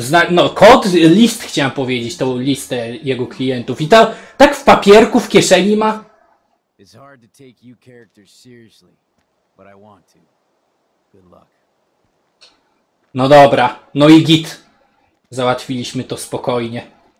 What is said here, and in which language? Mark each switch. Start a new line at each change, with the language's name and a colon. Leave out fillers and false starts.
Polish: No, kod, list chciałem powiedzieć, tą listę jego klientów. I to tak w papierku, w kieszeni ma?
English: It's hard to take you characters seriously, but I want to. Good luck.
Polish: No dobra, no i git. Załatwiliśmy to spokojnie.